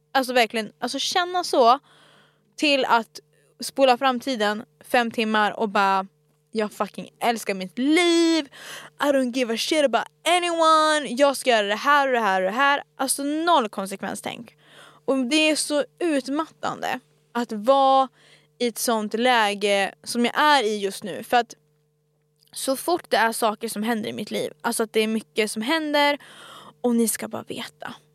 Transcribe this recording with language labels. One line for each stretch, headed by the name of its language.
Swedish: Alltså verkligen, alltså känna så. Till att spola framtiden 5 timmar och bara, jag fucking älskar mitt liv.
English: I don't give a shit about anyone.
Swedish: Jag ska göra det här och det här och det här. Alltså noll konsekvenstänk. Och det är så utmattande att vara i ett sånt läge som jag är i just nu. För att så fort det är saker som händer i mitt liv. Alltså att det är mycket som händer och ni ska bara veta.